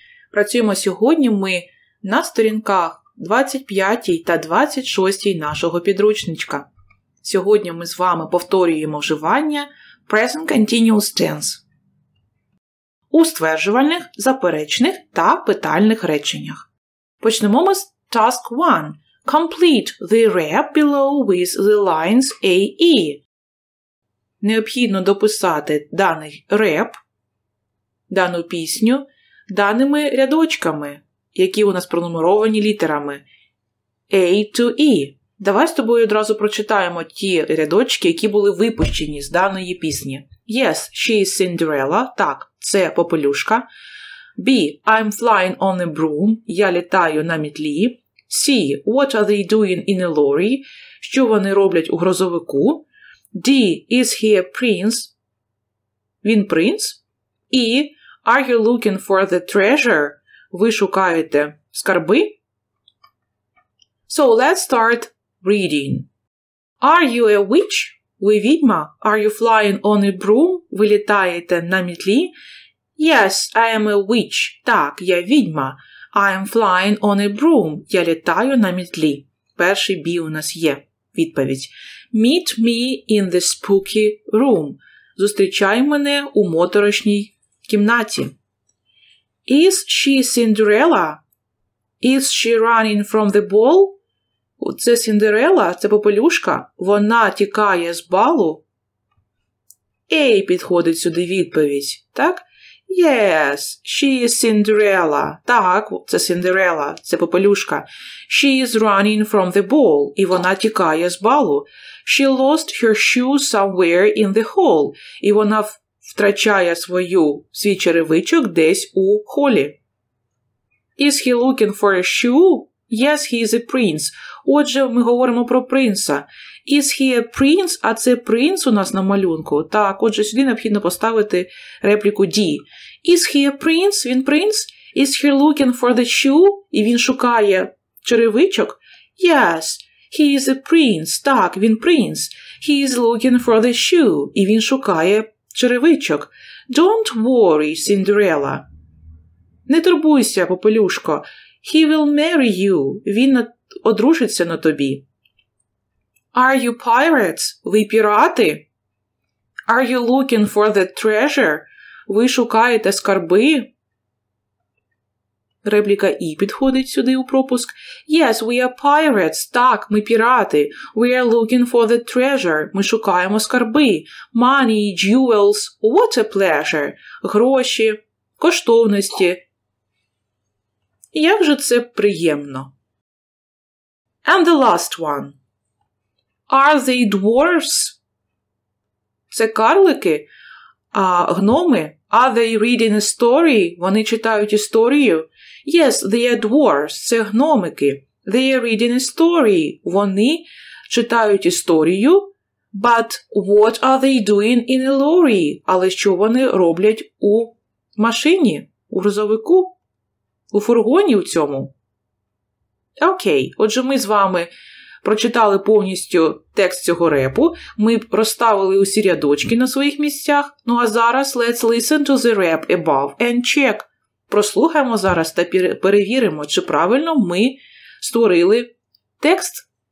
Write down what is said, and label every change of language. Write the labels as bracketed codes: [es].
[uk] Працюємо сьогодні ми на сторінках 25 та 26 нашого підручничка. Сьогодні ми з вами повторюємо вживання Present Continuous Tense у стверджувальних, заперечних та питальних реченнях. Почнемо ми з Task 1. [en] Complete the rep below with the lines AE. [uk] Необхідно дописати даний реп, дану пісню, даними рядочками, які у нас пронумеровані літерами A to E. Давай з тобою одразу прочитаємо ті рядочки, які були випущені з даної пісні. [en] Yes, she is Cinderella. [uk] Так, це попелюшка. [en] B. I'm flying on a broom. [uk] Я літаю на мітлі. [en] C. What are they doing in a lorry? [uk] Що вони роблять у грузовику? [en] D. Is he a prince? [uk] Він принц? [en] E. Are you looking for the treasure? [uk] Ви шукаєте скарби? [en] So, let's start reading. Are you a witch? [uk] Ви відьма? [en] Are you flying on a broom? [uk] Ви літаєте на мітлі? [en] Yes, I am a witch. [uk] Так, я відьма. [en] I am flying on a broom. [uk] Я літаю на мітлі. Перший B у нас є. Відповідь. [en] Meet me in the spooky room. [uk] Зустрічай мене у моторошній кімнаті. [en] Is she Cinderella? Is she running from the ball? [uk] Це Сіндерела, це попелюшка. Вона тікає з балу. Ей, підходить сюди відповідь, так? [en] Yes, she is Cinderella. [uk] Так, це Сіндерела, це попелюшка. [en] She is running from the ball. [uk] І вона тікає з балу. [en] She lost her shoe somewhere in the hall. [uk] І вона втрачає свій черевичок десь у холі. [en] Is he looking for a shoe? Yes, he is a prince. [uk] Отже, ми говоримо про принца. [en] Is he a prince? [uk] А це принц у нас на малюнку. Так, отже, сюди необхідно поставити репліку D. [en] Is he a prince? [uk] Він принц? [en] Is he looking for the shoe? [uk] І він шукає черевичок? [en] Yes, he is a prince. [uk] Так, він принц. [en] He is looking for the shoe. [uk] І він шукає черевичок. [en] Don't worry, Cinderella. [uk] Не турбуйся, попелюшко. [en] He will marry you. [uk] Він одружиться на тобі. [en] Are you pirates? [uk] Ви пірати? [en] Are you looking for the treasure? [uk] Ви шукаєте скарби? Репліка E підходить сюди у пропуск. [en] Yes, we are pirates. [uk] Так, ми пірати. [en] We are looking for the treasure. [uk] Ми шукаємо скарби. [en] Money, jewels. What a pleasure. [uk] Гроші, коштовності. Як же це приємно? [en] And the last one. Are they dwarves? [uk] Це карлики? А гноми? [en] Are they reading a story? [uk] Вони читають історію? [en] Yes, they are dwarves. [uk] Це гномики. [en] They are reading a story. [uk] Вони читають історію. [en] But what are they doing in a lorry? [uk] Але що вони роблять у машині, у грузовику? У фургоні у цьому? Окей. Отже, ми з вами прочитали повністю текст цього репу. Ми розставили усі рядочки на своїх місцях. Ну, а зараз [en] let's listen to the rap above and check. [uk] Прослухаємо зараз та перевіримо, чи правильно ми створили текст.